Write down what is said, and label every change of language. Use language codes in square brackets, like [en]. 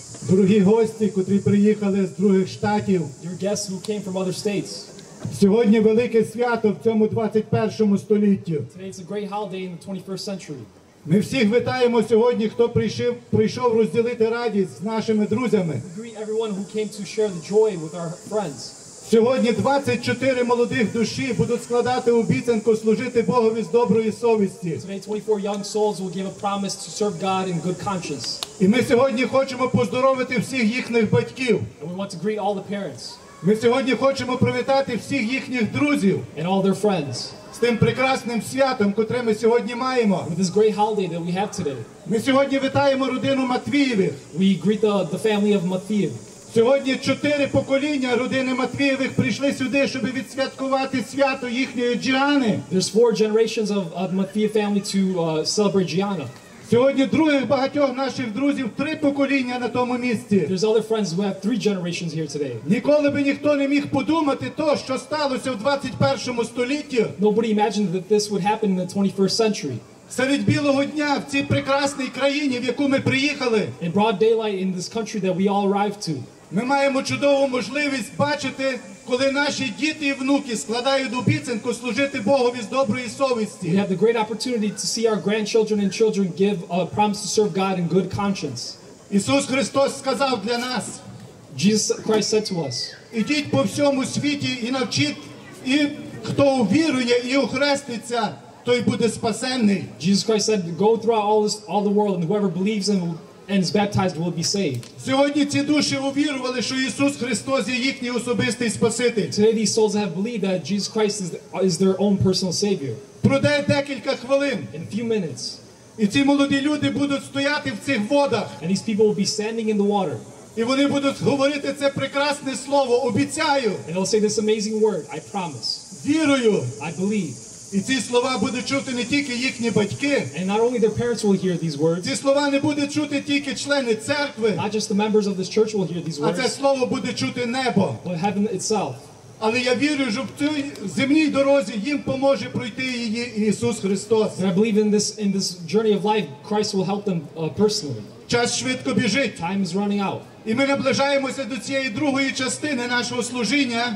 [uk] другі гості, котрі приїхали з других штатів, [en] dear guests who came from other states, [uk] сьогодні велике свято в цьому 21 столітті. [en] Today is a great holiday in the 21st century. [uk] Ми всіх вітаємо сьогодні, хто прийшов розділити радість з нашими друзями. [en] We greet everyone who came to share the joy with our friends. [uk] Сьогодні 24 молодих душі будуть складати обіцянку служити Богові з доброї совісті. [en] Today 24 young souls will give a promise to serve God in good conscience. [uk] І ми сьогодні хочемо поздоровити всіх їхніх батьків. [en] And we want to greet all the parents. [uk] Ми сьогодні хочемо привітати всіх їхніх друзів. [en] And all their friends. [uk] З тим прекрасним святом, котре ми сьогодні маємо. [en] With this great holiday that we have today. [uk] Ми сьогодні вітаємо родину Матвіївих. [en] We greet the family of Matthew. [uk] Сьогодні 4 покоління родини Матвіївих прийшли сюди, щоб відсвяткувати свято їхньої Джіани. [en] There's 4 generations of Matthiev family to celebrate Gianna. [uk] Сьогодні других багатьох наших друзів 3 покоління на тому місці. [en] There's other friends who have 3 generations here today. [uk] Ніколи би ніхто не міг подумати то, що сталося в 21 столітті. [en] Nobody imagined that this would happen in the 21st century. [uk] Серед білого дня в цій прекрасній країні, в яку ми приїхали. [en] In broad daylight in this country that we all arrived to. [uk] Ми маємо чудову можливість бачити коли наші діти і внуки складають обіцянку служити Богові з доброї совісті. [en] We have the great opportunity to see our grandchildren and children give a promise to serve God in good conscience. [uk] Ісус Христос сказав для нас. [en] Jesus Christ said to us. [uk] Ідіть по всьому світі і навчіть, і хто увірує і охреститься, той буде спасенний. [en] Jesus Christ said, go throughout all the world, and whoever believes in and is baptized will be saved. [uk] Сьогодні ці душі увірували, що Ісус Христос є їхній особистий спаситель. [en] Today these souls have believed that Jesus Christ is their own personal savior. [uk] Пройде декілька хвилин. [en] In a few minutes. [uk] І ці молоді люди будуть стояти в цих водах. [en] And these people will be standing in the water. [uk] І вони будуть говорити це прекрасне слово, обіцяю. [en] And they'll say this amazing word, I promise. [uk] Вірую. [en] I believe. [uk] І ці слова будуть чути не тільки їхні батьки. [en] And not only their parents will hear these words. [uk] Ці слова не будуть чути тільки члени церкви. [en] Not just the members of this church will hear these words. [uk] А це слово буде чути небо. [en] But heaven itself. [uk] Але я вірю, що в цій земній дорозі їм поможе пройти її Ісус Христос. [en] And I believe in this journey of life, Christ will help them personally. [uk] Час швидко біжить. [en] Time is running out. [uk] І ми наближаємося до цієї другої частини нашого служіння.